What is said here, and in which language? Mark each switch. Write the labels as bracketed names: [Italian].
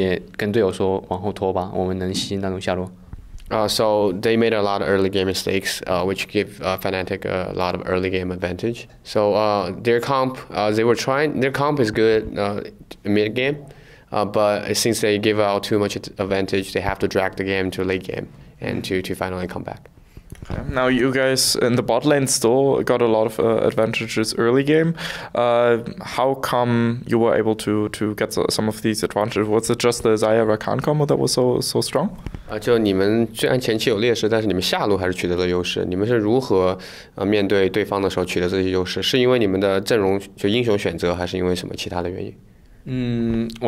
[Chinese] 因为前面那个自己失误比较多吧，然后导致了他们拿了前中期特别多的优势。然后我们本来是希望中后期的话开始发力的吧，但是前面失误太大了，然后只能拖到后面了。我们就自己跟队友说往后拖吧，我们能吸那种下路。 [English] So they made a lot of early game mistakes, which give Fnatic a lot of early game advantage. So their comp, their comp is good mid game. But since they give out too much advantage, they have to drag the game to late game and to finally come back. Okay. Now you guys in the bot lane still got a lot of advantages early game. How come you were able to get some of these advantages? Was it just the Zaya Rakan combo that was so strong? [Chinese] 就你们虽然前期有劣势，但是你们下路还是取得了优势。你们是如何面对对方的时候取得这些优势？是因为你们的阵容就英雄选择，还是因为什么其他的原因？